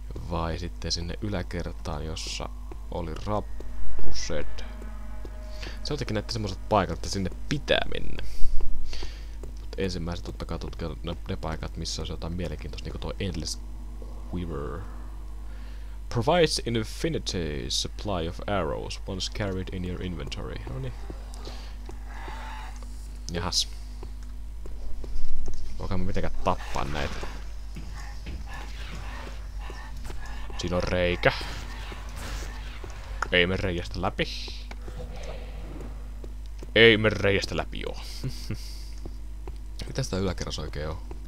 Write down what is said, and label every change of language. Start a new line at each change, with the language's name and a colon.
Finnish: Vai sitten sinne yläkertaan, jossa oli rappuset. Se on jotenkin näette semmoset paikat, että sinne pitää mennä. Mut ensimmäiset totta kai tutkia ne paikat, missä on jotain mielenkiintoista, niinku tuo Endless Quiver.
English: Provides infinity supply of arrows once carried in your inventory.
Finnish: Noni. Jahas. Voinkaan mä mitenkään tappaa näitä. Siinä on reikä. Ei mene reiästä läpi. Ei mene reiästä läpi joo. Mitäs tää yläkerros oikein on?